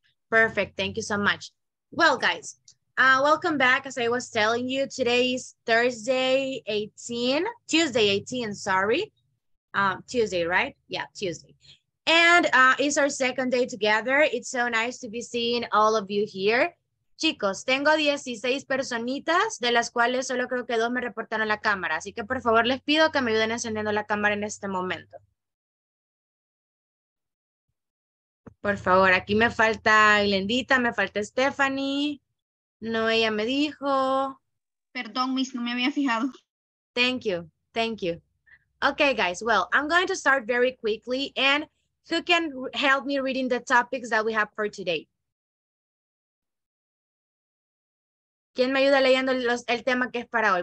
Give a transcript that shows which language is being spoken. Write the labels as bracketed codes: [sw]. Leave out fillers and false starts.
[en] Perfect, thank you so much. Well, guys, welcome back. As I was telling you, today is Tuesday, right? Yeah, Tuesday. And it's our second day together. It's so nice to be seeing all of you here. [es] Chicos, tengo 16 personitas, de las cuales solo creo que dos me reportaron la cámara. Así que, por favor, les pido que me ayuden encendiendo la cámara en este momento. Por favor, aquí me falta Glendita, me falta Stephanie. No, ella me dijo. Perdón, Miss, no me había fijado. [en] Thank you. Okay, guys, well, I'm going to start very quickly and... Who can help me reading the topics that we have for today? [es] ¿Quién me ayuda leyendo el tema que es para hoy?